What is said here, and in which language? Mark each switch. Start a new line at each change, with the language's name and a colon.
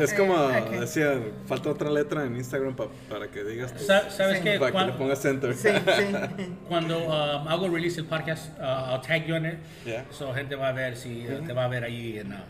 Spanish: Es como decía, falta otra letra en Instagram para que digas. ¿Sabes qué? Para que le pongas enter. Sí, sí. Cuando hago release el podcast,
English: I'll tag you in it. Yeah.
Spanish: So gente va a ver si te va a ver ahí.